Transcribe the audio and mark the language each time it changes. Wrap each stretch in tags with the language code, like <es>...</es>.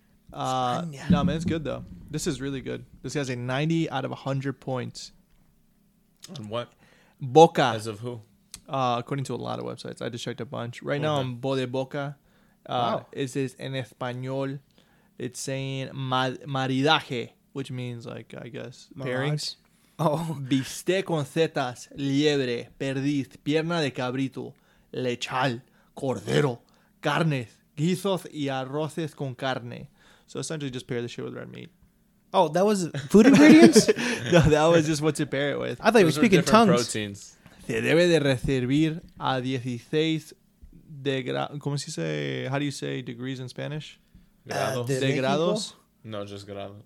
<en>No, man, it's good, though. This is really good. This has a 90 out of 100 points. And what? Boca. As of who? According to a lot of websites. I just checked a bunch. Right now, I'm Bode Boca. Wow. It says</en> <es>en español,</es> <en>it's saying maridaje, which means like, I guess, pairings. Oh.</en> <es>Bistec con setas, liebre, perdiz, pierna de cabrito, lechal, cordero, carnes, guisos y arroces con carne.</es> <en>So essentially just pair the shit with red meat. Oh, that was food ingredients? No, that was just what to pair it with. I thought you were speaking tongues. Proteins.</en> <es>Se debe de reservar a 16...</es> <en>how do you say degrees in Spanish? Grados. No, just grados.</en>